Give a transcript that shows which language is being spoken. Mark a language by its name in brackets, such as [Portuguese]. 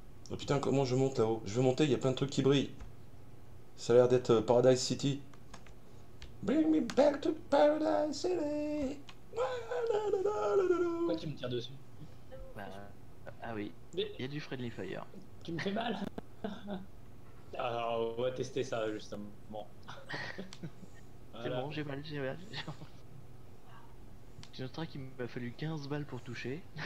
[French] Oh putain, comment je monte là-haut? Je veux monter, il y a plein de trucs qui brillent. Ça a l'air d'être Paradise City. [English] Bring me back to Paradise City. [French] Pourquoi tu me tires dessus? Ah oui, il y a du Friendly Fire. Tu me fais mal. Alors, on va tester ça, justement. Bon. Voilà. C'est bon, j'ai mal. Tu noteras qu'il m'a fallu 15 balles pour toucher.